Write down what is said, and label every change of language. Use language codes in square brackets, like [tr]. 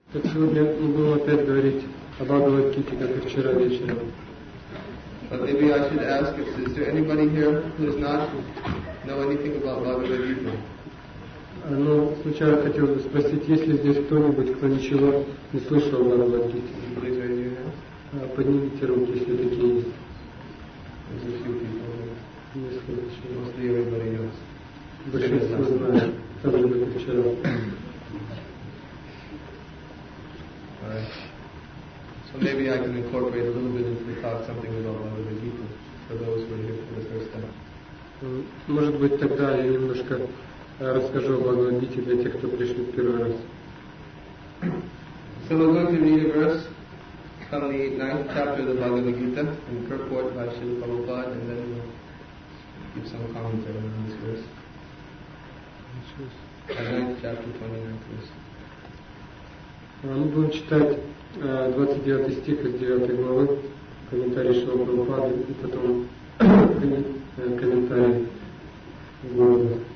[ru] Так сегодня мы будем опять говорить об Бхагавад-гите, как и вчера вечером. [en] But maybe I should ask if is there anybody here who does not know anything about Bhagavad-gita? [ru] Но сначала хотел бы спросить, есть ли здесь кто-нибудь, кто ничего не слышал о Бхагавад-гите? [en] Please raise your hand. [ru] Поднимите руки, если такие есть. [en] There's a few people. Mostly everybody knows. [ru] Большинство знает, также как вчера. [en] So maybe I can incorporate a little bit into the talk something about Bhagavad-gita for those who are here for the first time. [ru] Может быть тогда я немножко расскажу о Бхагавад-гите для тех, кто пришли первый раз. [en] So we're going to read a verse from the 9th chapter of the Bhagavad-gita in purport by Srila Prabhupada, and then we'll give some commentary on this verse. The 9th chapter, 29th verse. [ru] Мы будем читать 29 стих из 9 главы, комментарий Шрила Прабхупады и потом комментарий Гуру.